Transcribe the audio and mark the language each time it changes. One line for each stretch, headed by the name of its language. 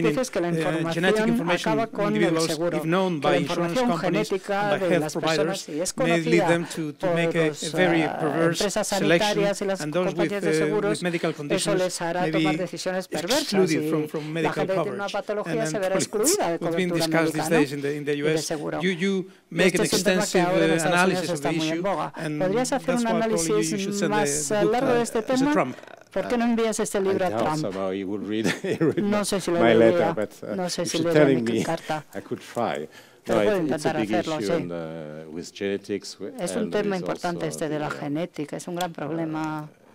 Spanish: Dices que la información acaba con el seguro, que la información genética de las personas y es conocida por las empresas sanitarias y las compañías de seguros. Eso les hará tomar decisiones perversas. Y la gente que tiene una patología se verá excluida de cobertura médica, ¿no?
English: In the US, you make an extensive analysis of the issue, and that's why probably you should send the book to Trump.
Spanish: ¿Por qué no envías este libro a Trump? No sé si lo leería, no sé si leería mi carta. Pero puedo intentar hacerlo, sí.
English: With genetics,
Spanish: es un tema importante este de la genética, es un gran problema.